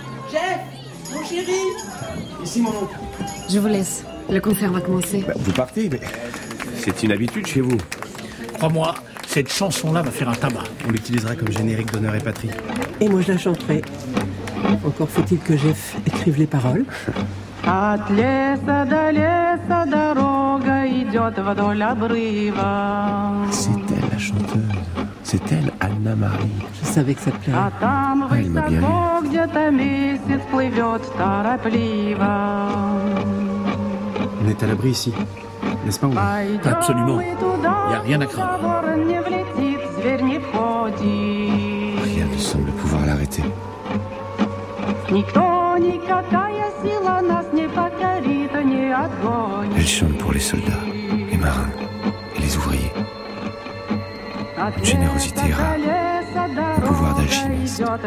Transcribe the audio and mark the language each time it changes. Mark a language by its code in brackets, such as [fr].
[fr] Jeff, mon chéri! Ici, mon oncle. Je vous laisse. Le concert va commencer. Bah, vous partez, mais c'est une habitude chez vous. Crois-moi, cette chanson-là va faire un tabac. On l'utilisera comme générique d'Honneur et Patrie. Et moi, je la chanterai. Encore faut-il que Jeff écrive les paroles. [ru] От леса до леса дорога идет вдоль обрыва. [fr] C'est elle la chanteuse, c'est elle Anna-Marie. Je savais que ça te plairait. [ru] А там высоко где-то месяц плывет торопливо. [fr] On est à l'abri ici, n'est-ce pas? Absolument, il n'y a rien à craindre. [ru] Не влетит, зверь не входит. [fr] Rien ne semble pouvoir l'arrêter. [ru] Никто, никакая сила нас не покорит, не отгонит. [fr] Elle chante pour les soldats, les marins et les ouvriers. Une générosité rare, un pouvoir d'alchimiste.